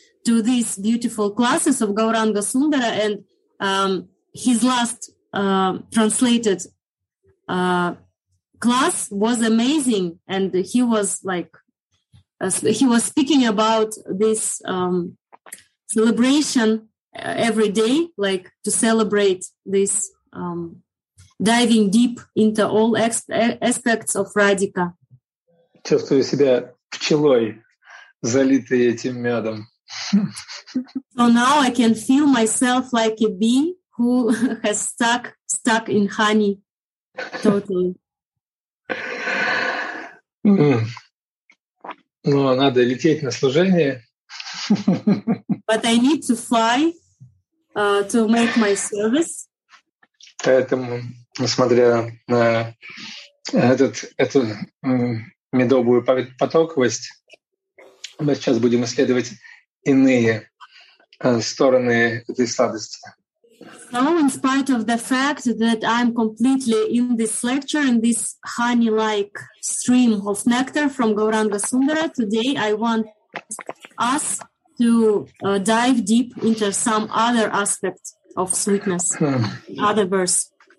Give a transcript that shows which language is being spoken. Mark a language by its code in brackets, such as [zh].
[en] to these beautiful classes of Gauranga Sundara and his last translated class was amazing, and he was like he was speaking about this celebration every day, like to celebrate this diving deep into all aspects of Radhika. [ru] Чувствую себя пчелой, залитой этим медом. [en] So now I can feel myself like a bee who has stuck in honey totally. [ru] Ну, надо лететь на служение. [en] But I need to fly to make my service. [ru] Поэтому, несмотря на эту медовую потоковость, мы сейчас будем исследовать иные стороны этой сладости. [en] So, in spite of the fact that I'm completely in this lecture, in this honey-like stream of nectar from Gauranga Sundara, today I want us to dive deep into some other aspect of sweetness, other verse.